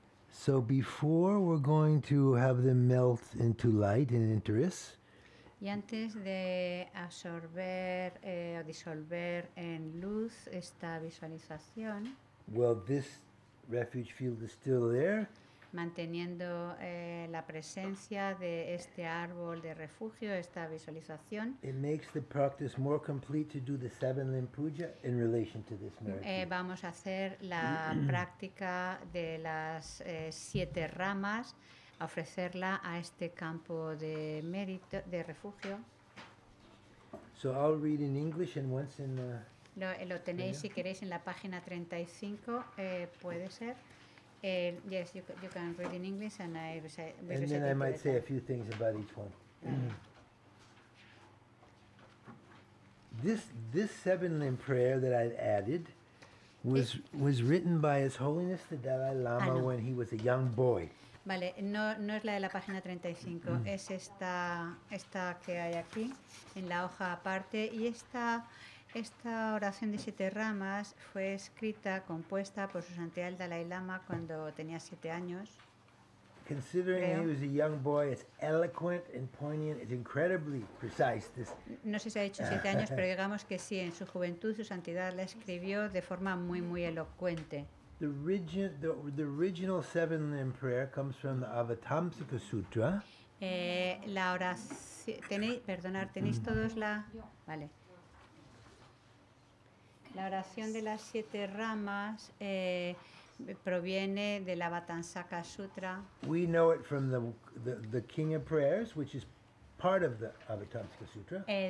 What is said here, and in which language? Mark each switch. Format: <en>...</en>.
<en>So before we're going to have them melt into light and enter us.</en> <es>Y antes de absorber o disolver en luz esta visualización.</es> <en>Well, this refuge field is still there.</en> <es>Manteniendo la presencia de este árbol de refugio, esta visualización.</es> <en>It makes the practice more complete to do the seven limb puja in relation to this merit.</en> <es>Vamos a hacer la práctica de las siete ramas, a ofrecerla a este campo de mérito, de refugio.</es> <en>So I'll read in English and once in the.</en> <es>Lo tenéis si queréis en la página 35, puede ser.</es> <en>Yes, you can read in English, and I will say. And then I might say a few things about each one. This seven limb prayer that I've added was written by His Holiness the Dalai Lama when he was a young boy.</en> <es>Vale, no es la de la página 35. Es esta que hay aquí en la hoja aparte, y esta oración de siete ramas fue escrita, compuesta por su santidad el Dalai Lama cuando tenía siete años.</es> <en>Considering he was a young boy, it's eloquent and poignant. It's incredibly precise. This.</en> <es>No sé si ha dicho siete años, pero digamos que sí. En su juventud, su santidad la escribió de forma muy, muy elocuente.</es> <en>The original seven limb prayer comes from the Avatamsaka Sutra.</en> <es>La oración. Tenéis todos la. Vale. La oración de las siete ramas proviene del Avatamsaka Sutra.</es> <en>We know it from the King of Prayers, which is part of the Avatamsaka Sutra.</en>